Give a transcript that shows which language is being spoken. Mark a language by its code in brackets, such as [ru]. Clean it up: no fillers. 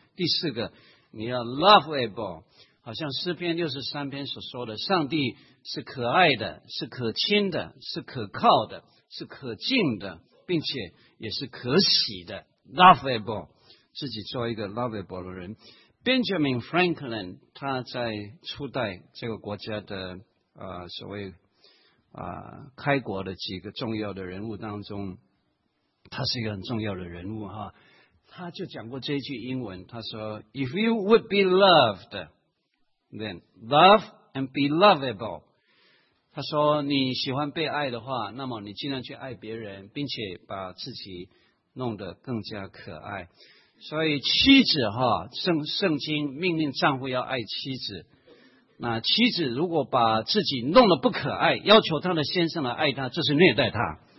[zh] 第四个，你要 lovable，好像诗篇63篇所说的，上帝是可爱的，是可亲的，是可靠的，是可敬的，并且也是可喜的 lovable， 自己做一个 lovable 的人。 Benjamin Franklin 他在初代这个国家的所谓开国的几个重要的人物当中，他是一个很重要的人物哈。他就讲过这句英文，他说 [en] If you would be lovedThen love and be lovable。 [zh] 他说你喜欢被爱的话，那么你尽量去爱别人，并且把自己弄得更加可爱。所以妻子哈，圣经命令丈夫要爱妻子，那妻子如果把自己弄得不可爱，要求他的先生来爱他，这是虐待他。